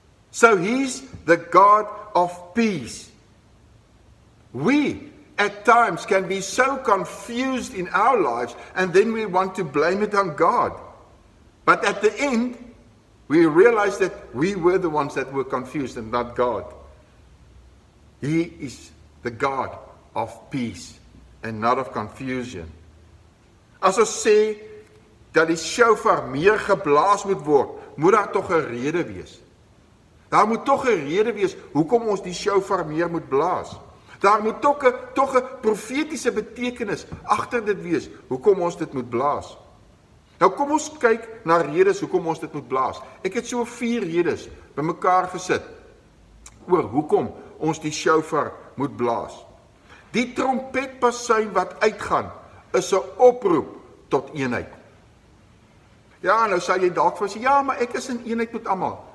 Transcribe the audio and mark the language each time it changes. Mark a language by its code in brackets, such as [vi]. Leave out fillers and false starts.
[en] So he's the God of peace. We at times can be so confused in our lives and then we want to blame it on God. But at the end, we realize that we were the ones that were confused and not God. He is the God of peace and not of confusion. As I say, [af] dat die shofar meer geblaas moet word, moet daar toch een rede wees. Daar moet toch een rede wees, hoekom ons die shofar meer moet blaas. Daar moet toch een profetiese betekenis achter dit wees, hoekom ons dit moet blaas. Nou kom ons kyk na redes, hoekom ons dit moet blaas. Ek het so 4 redes by mekaar gesit, oor hoekom ons die shofar moet blaas. Die trompetbasuin wat uitgaan, is 'n oproep tot eenheid. Ja, nou sal jy dalk vir sê, ja, maar ek is in eenheid met allemaal.